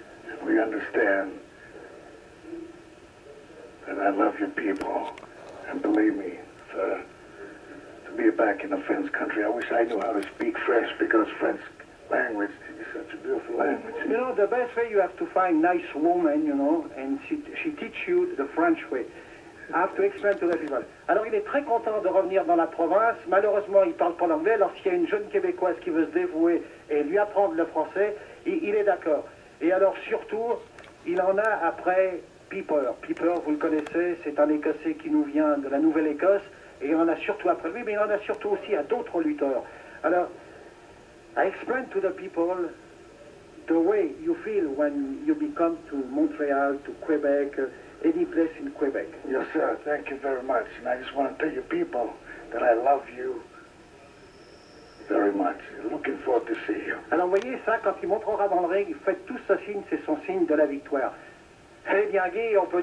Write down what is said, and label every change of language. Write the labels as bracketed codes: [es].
[en] And we understand that I love your people. And believe me, sir, to be back in the French country, I wish I knew how to speak French, because French language is such a beautiful language. You know, the best way, you have to find nice woman, you know, and she teach you the French way. I have to explain to the people. [fr] Alors, il est très content de revenir dans la province. Malheureusement, il parle pas l'anglais. Lorsqu'il y a une jeune Québécoise qui veut se dévouer et lui apprendre le français, il est d'accord. Et alors, surtout, il en a après Piper. Piper, vous le connaissez, c'est un Écossais qui nous vient de la Nouvelle-Écosse. Et il en a surtout après lui, mais il en a surtout aussi à d'autres lutteurs. [en] Alors, I explain to the people the way you feel when you become to Montreal, to Quebec, any place in Quebec. Yes, sir. Thank you very much. And I just want to tell you people that I love you very much. Looking forward to see you. [fr] Alors, voyez ça, quand il montrera dans le ring, faites tout ce signe, c'est son signe de la victoire. Très bien, Guy, on peut...